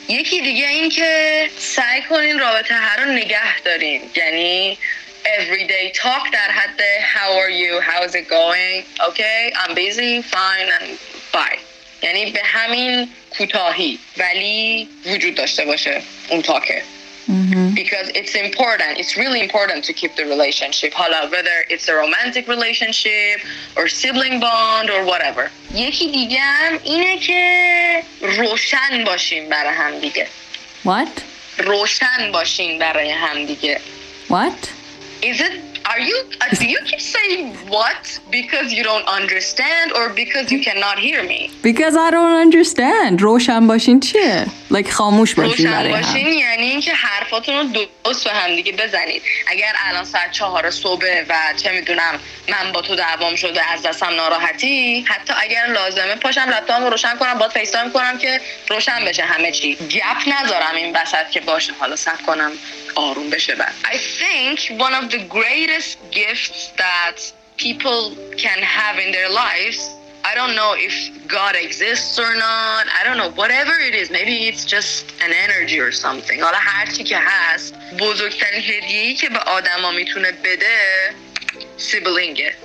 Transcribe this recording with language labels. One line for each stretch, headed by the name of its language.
Persian: یکی دیگه این که سعی کنین رابطه هر رو نگه دارین, یعنی
English: everyday talk
Persian: در حد
English: how are you, how is it going, okay I'm busy, fine and bye.
Persian: یعنی به همین کوتاهی ولی وجود داشته باشه اون تاکه.
English: Because it's important, it's really important to keep the relationship, whether it's a romantic relationship or sibling bond or whatever.
Persian: یکی دیگه هم اینه که روشن باشیم برای هم دیگه.
English: What?
Persian: روشن باشیم برای هم دیگه.
English: What? Is it, are you, do you keep saying what because you don't understand or because you cannot hear me? Because I don't understand.
Persian: روشن باشین چیه؟ Like خاموش باشین برای هم. روشن باشین یعنی این که حرفاتون رو درست به هم دیگه بزنید. اگر الان ساعت 4 صبح و چه میدونم من با تو دعوام شده از دستم ناراحتی، حتی اگر لازمه پاشم لپتاپم رو روشن کنم باید فیستایم کنم که روشن بشه همه چی. گپ نذارم این وسط که باشه حالا صبر کنم.
English: I think one of the greatest gifts that people can have in their lives, I don't know if God exists or not, I don't know, whatever it is, maybe it's just an energy or something.
Persian: حالا هرچی که هست، بزرگترین هدیه‌ای که به آدم ها میتونه بده سیبلینگه.